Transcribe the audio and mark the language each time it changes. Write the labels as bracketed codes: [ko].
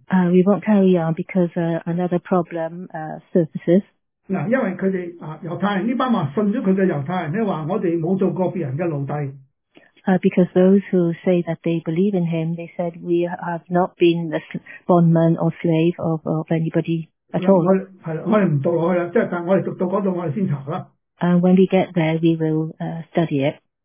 [en] We won't carry on because another problem surfaces. [yue] 因为佢哋犹太人呢班话信咗佢嘅犹太人咧话，我哋冇做过别人嘅奴隶。 [en] Because those who say that they believe in him, they said we have not been the bondman or slave of anybody at all. [yue] 我哋唔读落去啦，但系我哋读到嗰度，我哋先查啦。 [en] When we get there, we will study it.